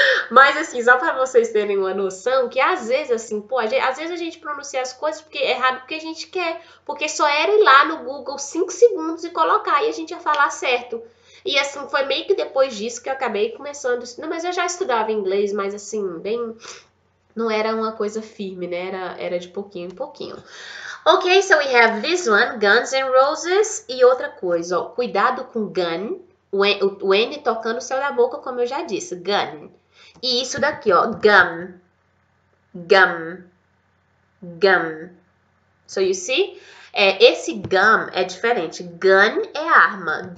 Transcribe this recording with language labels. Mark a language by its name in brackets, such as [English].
[Portuguese] Mas assim, só pra vocês terem uma noção, que às vezes, assim, pô, às vezes a gente pronuncia as coisas porque é errado porque a gente quer. Porque só era ir lá no Google 5 segundos e colocar e a gente ia falar certo. E assim, foi meio que depois disso que eu acabei começando. Não, mas eu já estudava inglês, mas assim, bem. Não era uma coisa firme, né? Era de pouquinho em pouquinho. [English] Ok, so we have this one, Guns N' Roses. [Portuguese] E outra coisa, ó. Cuidado com gun. O N tocando o céu da boca, como eu já disse. Gun. E isso daqui, ó. Gum. Gum. Gum. [English] So you see? [Portuguese] É, esse gum é diferente. Gun é arma.